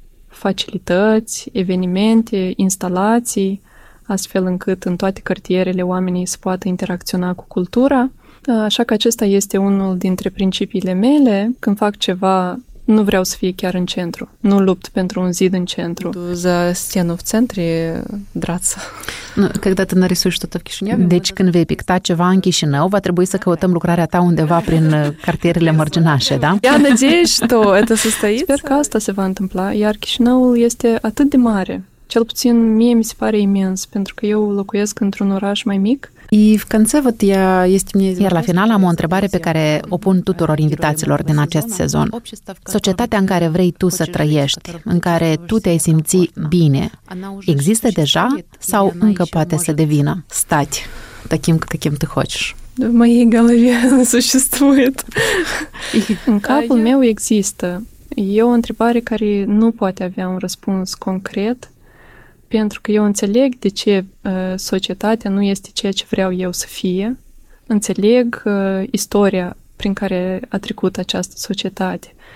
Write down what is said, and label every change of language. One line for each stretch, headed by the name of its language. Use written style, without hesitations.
Romanian: Facilități, evenimente, instalații, astfel încât în toate cartierele oamenii se poată interacționa cu cultura. Așa că acesta este unul dintre principiile mele. Când fac ceva, nu vreau să fie chiar în centru. Nu lupt pentru un zid în centru.
Russian: За стену в центре драться. Когда ты нарисуешь что-то в Кишиневе?
Romanian: Deci când vei picta ceva în Chișinău, va trebui să căutăm lucrarea ta undeva prin cartierele mărginașe, da?
Russian: Я надеюсь, что это состоится.
Romanian: Sper că asta se va întâmpla, iar Chișinăul este atât de mare. Cel puțin mie mi se pare imens, pentru că eu locuiesc într-un oraș mai mic. Iar la final am o întrebare pe care o pun tuturor invitaților din acest sezon. Societatea în care vrei tu să trăiești, în care tu te-ai simți bine, există deja sau încă poate să devină? Stați,
Russian: таким, каким ты хочеш. В моей голове существует.
Romanian: În capul meu există. E o întrebare care nu poate avea un răspuns concret. Pentru că eu înțeleg de ce societatea nu este ceea ce vreau eu să fie. Înțeleg istoria prin care a trecut această societate.